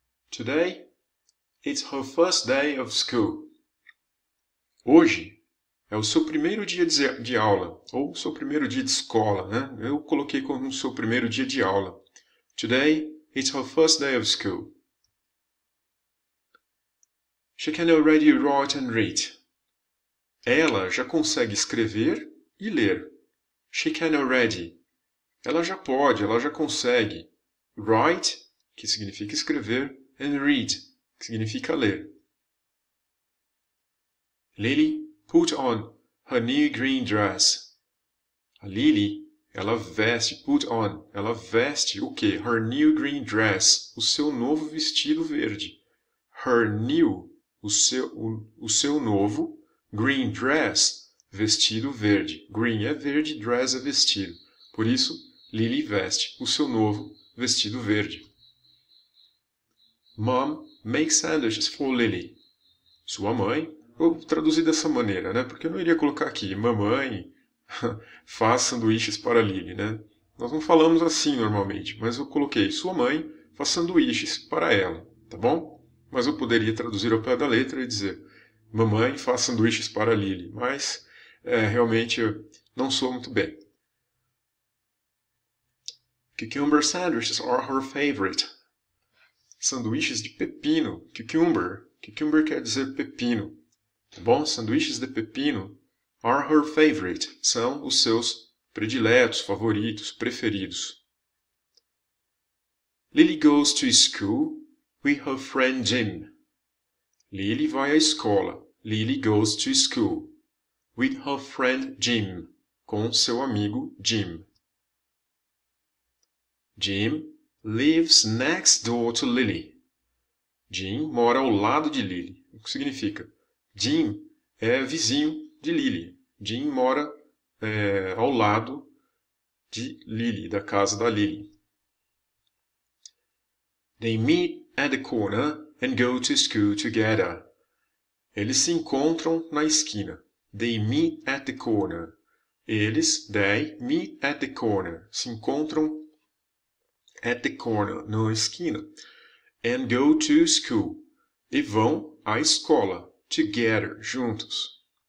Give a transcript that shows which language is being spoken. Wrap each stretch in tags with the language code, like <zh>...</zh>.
<en>Today, it's her first day of school.</en> <pt>Hoje é o seu primeiro dia de aula, ou seu primeiro dia de escola, né? Eu coloquei como seu primeiro dia de aula.</pt> <en>Today, it's her first day of school. She can already write and read.</en> <pt>Ela já consegue escrever e ler.</pt> <en>She can already.</en> <pt>Ela já pode, ela já consegue. Write, que significa escrever,</pt> <en>and read,</en> <pt>que significa ler.</pt> <en>Lily put on her new green dress.</en> <pt>A Lily, ela veste,</pt> <en>put on,</en> <pt>ela veste o quê?</pt> <en>Her new green dress,</en> <pt>o seu novo vestido verde.</pt> <en>Her new,</en> <pt>o seu novo</pt> <en>green dress,</en> <pt>vestido verde. Green é verde, dress é vestido. Por isso, Lily veste o seu novo vestido verde.</pt> <en>Mom makes sandwiches for Lily.</en> <pt>Sua mãe, vou traduzir dessa maneira, né? Porque eu não iria colocar aqui, mamãe faz sanduíches para Lily, né? Nós não falamos assim normalmente, mas eu coloquei, sua mãe faz sanduíches para ela, tá bom? Mas eu poderia traduzir ao pé da letra e dizer, Mamãe faz sanduíches para Lily, mas realmente eu não sou muito bem.</pt> <en>Cucumber sandwiches are her favorite.</en> <pt>Sanduíches de pepino. Cucumber. Cucumber quer dizer pepino. Tá bom? Sanduíches de pepino</pt> <en>are her favorite.</en> <pt>São os seus prediletos, favoritos, preferidos.</pt> <en>Lily goes to school with her friend Jim.</en> <pt>Lily vai à escola.</pt> <en>Lily goes to school with her friend Jim.</en> <pt>Com seu amigo Jim.</pt> <en>Jim lives next door to Lily.</en> <pt>Jim mora ao lado de Lily. O que significa? Jim é vizinho de Lily. Jim mora ao lado de Lily, da casa da Lily.</pt> <en>They meet at the corner and go to school together.</en> <pt>Eles se encontram na esquina.</pt> <en>They meet at the corner. Eles, they, meet at the corner.</en> <pt>Se encontram</pt> <en>at the corner,</en> <pt>na esquina.</pt> <en>And go to school.</en> <pt>E vão à escola. Together, juntos.</pt>